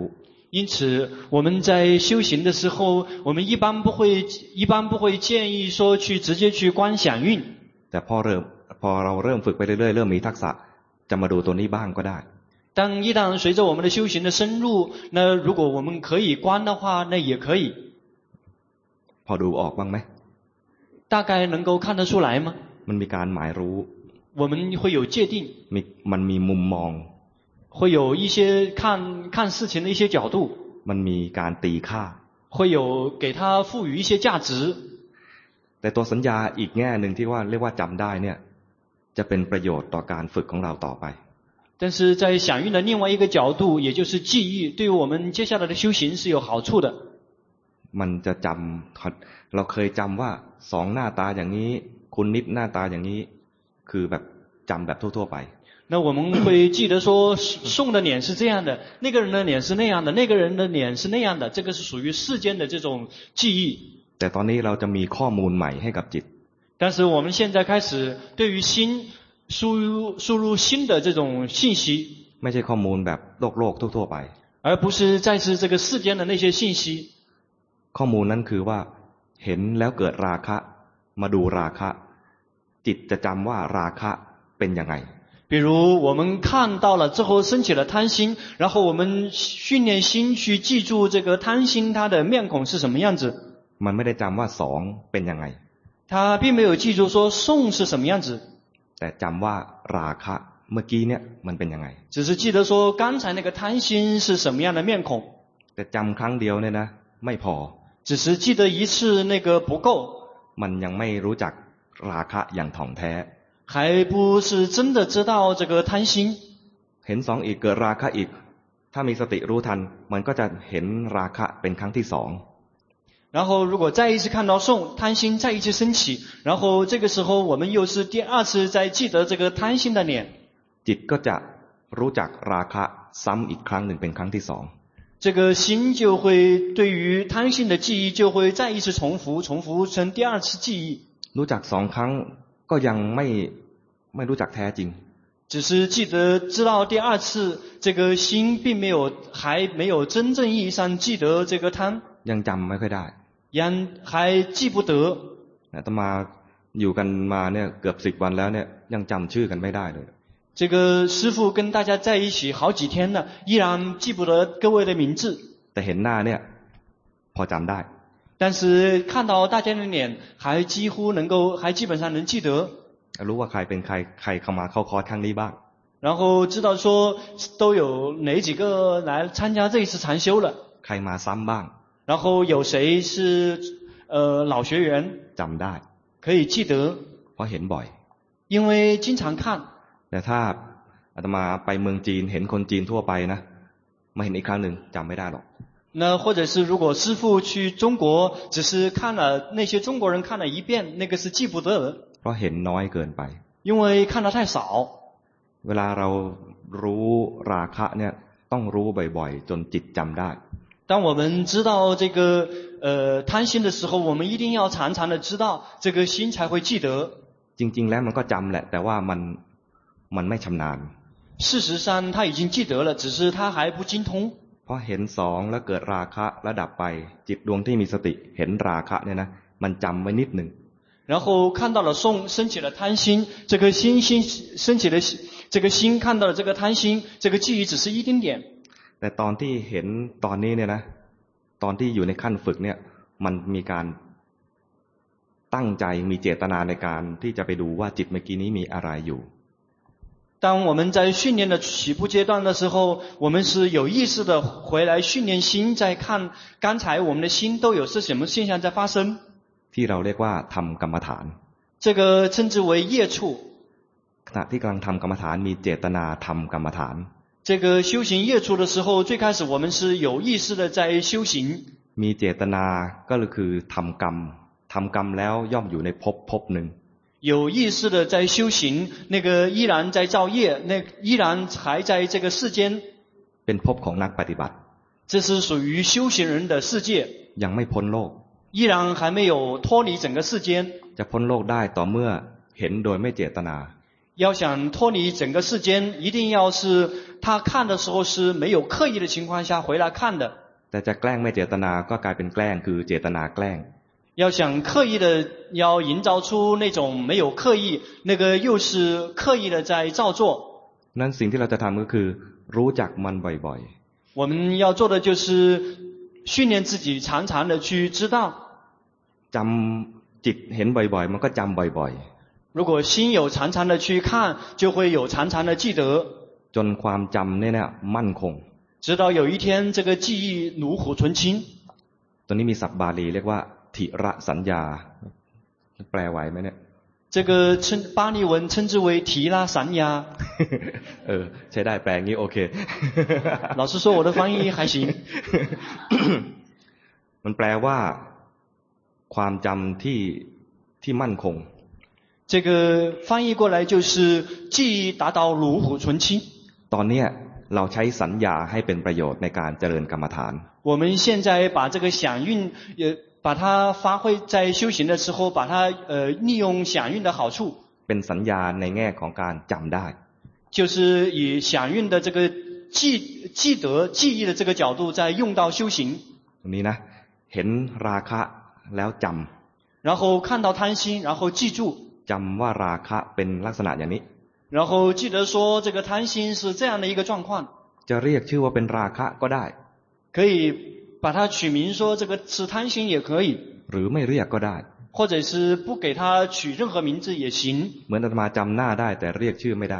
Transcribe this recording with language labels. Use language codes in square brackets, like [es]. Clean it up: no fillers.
[zh] 因此我们在修行的时候我们一般不会建议说去直接去观想运 [th] แต่พอเราเริ่มฝึกไปเรื่อยๆเริ่มมีทักษะจะมาดูตัวนี้บ้างก็ได้ [zh] 当一旦随着我们的修行的深入那如果我们可以观的话那也可以 [th] พอดูออกบ้างไหม [zh] 大概能够看得出来吗 [th] มันมีการหมายรู้ [zh] 我们会有界定 [th] มันมีมุมมอง [zh] 会有一些看事情的一些角度 [th] มันมีการตีค่า [zh] 会有给它赋予一些价值 [th] แต่ตัวสัญญาอีกแง่นึงที่ว่าเรียกว่าจำได้เนี่ยจะเป็นประโยชน์ต่อการฝึกของเราต่อไป [zh] 但是在想运的另外一个角度也就是记忆对我们接下来的修行是有好处的 [th] มันจะจำเราเคยจำว่าสองหน้าตาอย่างนี้คุณนิดหน้าตาอย่างนี้คือแบบจำแบบทั่วๆไป [zh] 那我们会记得说宋的脸是这样的那个人的脸是那样的那个人的脸是那样的这个是属于世间的这种记忆 [th] แต่ตอนนี้เราจะมีข้อมูลใหม่ให้กับจิต [zh] 但是我们现在开始对于心输入新的这种信息 [th] ไม่ใช่ข้อมูลแบบโลกทั่วๆไป [zh] 而不是再次这个世间的那些信息 [th] ข้อมูลนั้นคือว่าเห็นแล้วเกิดราคะมาดูราคะจิตจะจำว่าราคะเป็นยังไง [zh] 比如我们看到了之后升起了贪心然后我们训练心去记住这个贪心它的面孔是什么样子 [th] มันไม่ได้จำว่าสองเป็นยังไง [zh] 他并没有记住说送是什么样子 [th] แต่จำว่าราคะเมื่อกี้เนี่ยมันเป็นยังไง [zh] 只是记得说刚才那个贪心是什么样的面孔 [th] แต่จำครั้งเดียวเนี่ยนะไม่พอ [zh] 只是记得一次那个不够 [th] มันยังไม่รู้จักราคะอย่างถ่องแท้ [zh] 还不是真的知道这个贪心 [th] เห็นสองอีกเกิดราคะอีกถ้ามีสติรู้ทันมันก็จะเห็นราคะเป็นครั้งที่สอง [zh] 然后如果再一次看到送贪心再一次升起然后这个时候我们又是第二次再记得这个贪心的脸 [th] จิตก็จะรู้จักราคะซ้ำอีกครั้งหนึ่งเป็นครั้งที่สอง [zh] 这个心就会对于贪心的记忆就会再一次重复，重复成第二次记忆。 [th] รู้จักสองครั้งก็ยังไม่รู้จักแท้จริง。 [zh] 只是记得知道第二次这个心并没有还没有真正意义上记得这个贪。 [th] ยังจำไม่ค่อยได้。 ยัง [zh] 还记不得。 [th] ต่อมาอยู่กันมาเนี่ยเกือบสิบวันแล้วเนี่ยยังจำชื่อกันไม่ได้เลย。 [zh] 这个师父跟大家在一起好几天了，依然记不得各位的名字。 [th] แต่เห็นหน้าเนี่ยพอจำได้。 [zh] 但是看到大家的脸，还几乎能够，还基本上能记得。 [th] รู้ว่าใครเป็นใครใครเข้ามาเข้าคอร์สครั้งนี้บ้าง。 [zh] 然后知道说都有哪几个来参加这一次禅修了。 [th] ใครมาซ้ำบ้าง。 [zh] 然后有谁是老学员？ [th] จำได้ [zh] 。 可以记得。 [th] เพราะเห็นบ่อย。 [zh] 因为经常看。 [th] แต่ถ้าอาตมาไปเมืองจีนเห็นคนจีนทั่วไปนะมาเห็นอีกครั้งหนึ่งจำไม่ได้หรอก。 [zh] 那或者是如果师父去中国，只是看了那些中国人看了一遍，那个是记不得。 [th] เพราะเห็นน้อยเกินไป。 [zh] 因为看的太少。 [th] เวลาเรารู้ราคะเนี่ยต้องรู้บ่อยๆจนจิตจำได้。 [zh] 当我们知道这个贪心的时候，我们一定要常常的知道，这个心才会记得。 [th] จริงๆแล้วมันก็จำแหละแต่ว่ามันไม่ชำนาญ。 [zh] 事实上他已经记得了，只是他还不精通。 [th] พอเห็นสองแล้วเกิดราคะระดับไปจิตดวงที่มีสติเห็นราคะเนี่ยนะมันจำไว้นิดหนึ่ง [zh] 然后看到了送升起了贪心这个心心升起了这个心看到了这个贪心这个记忆只是一丁点 [th] แต่ตอนที่เห็นตอนนี้เนี่ยนะตอนที่อยู่ในขั้นฝึกเนี่ยมันมีการตั้งใจมีเจตนาในการที่จะไปดูว่าจิตเมื่อกี้นี้มีอะไรอยู่ [zh] 当我们在训练的起步阶段的时候，我们是有意识的回来训练心，在看刚才我们的心都有是什么现象在发生。 [th] ที่เราเรียกว่าทำกรรมฐาน。 [zh] 这个称之为业处。 [th] ขณะที่กำลังทำกรรมฐานมีเจตนาทำกรรมฐาน。 [zh] 这个修行业处的时候，最开始我们是有意识的在修行。 [th] มีเจตนาก็คือทำกรรม，ทำกรรมแล้วย่อมอยู่ในภพหนึ่ง。 [zh] 有意识的在修行，那个依然在造业，那依然还在这个世间。 [th] เป็นภพของนักปฏิบัติ。 [zh] 这是属于修行人的世界。 [th] ยังไม่พ้นโลก。 [zh] 依然还没有脱离整个世间。 [th] จะพ้นโลกได้ต่อเมื่อเห็นโดยไม่เจตนา。 [zh] 要想脱离整个世间，一定要是他看的时候是没有刻意的情况下回来看的。 [th] แต่จะแกล้งไม่เจตนาก็กลายเป็นแกล้งคือเจตนาแกล้ง。 [zh] 要想刻意的要营造出那种没有刻意那个又是刻意的在造作 [th] นั้นสิ่งที่เราจะทำก็คือรู้จักมันบ่อย [zh] ๆ我们要做的就是训练自己常常的去知道 [th] จำจิตเห็นบ่อยๆมันก็จำบ่อย [zh] ๆ如果心有常常的去看就会有常常的记得 [th] จนความจำเนี่ยมั่นคง [zh] 直到有一天这个记忆炉火纯青 [th] ตอนนี้มีศัพท์บาลีเรียกว่าธีระสัญญาแปลไหวไหมเนี่ย [zh] 这个称巴利文称之为提拉散亚 [th] เออใช้ได้แปลงี้โอเค [zh] 老师说我的翻译还行 [th] มันแปลว่าความจำที่มั่นคง [zh] 这个翻译过来就是记忆达到炉火纯青 [th] ตอนเนี้ยเราใช้สัญญาให้เป็นประโยชน์ในการเจริญกรรมฐาน [zh] 我们现在把这个响应也把它发挥在修行的时候把它利用响应的好处 [th] เป็นสัญญาในแง่ของการจำได้ [zh] 就是以响应的这个记得记忆的这个角度在用到修行 [th] ตรงนี้นะเห็นราคะแล้วจำ [zh] 然后看到贪心然后记住 [th] จำว่าราคะเป็นลักษณะอย่างนี้ [zh] 然后记得说这个贪心是这样的一个状况 [th] จะเรียกชื่อว่าเป็นราคะก็ได้ [zh] 可以把它取名说这个是贪心也可以 [th] หรือไม่เรียกก็ได้ [zh] 或者是不给他取任何名字也行 [th] เหมือนอาตมาจำหน้าได้แต่เรียกชื่อไม่ได